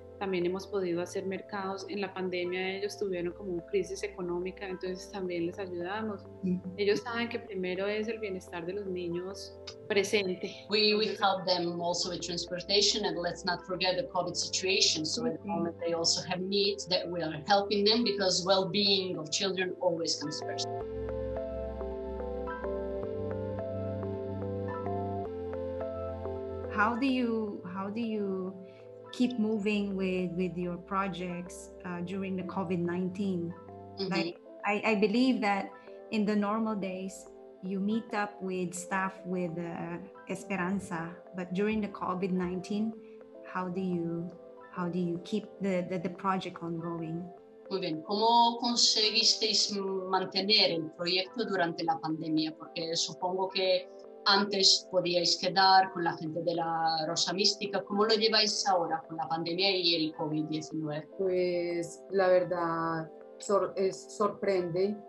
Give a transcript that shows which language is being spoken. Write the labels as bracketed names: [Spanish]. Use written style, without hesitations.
[Spanish] También hemos podido hacer mercados. En la pandemia ellos tuvieron como una crisis económica, entonces también les ayudamos. Ellos saben que primero es el bienestar de los niños presente. [English] We help them also with transportation, and let's not forget the COVID situation. So at the moment they also have needs that we are helping them, because well-being of children always comes first. How do you keep moving with your projects during the COVID-19? Mm-hmm. Like, I believe that in the normal days you meet up with staff with Esperanza, but during the COVID-19, how do you keep the project ongoing? [Spanish] Muy bien. ¿Cómo conseguisteis mantener el proyecto durante la pandemia? Porque supongo que antes podíais quedar con la gente de la Rosa Mística. ¿Cómo lo lleváis ahora con la pandemia y el COVID-19? Pues la verdad sorprende.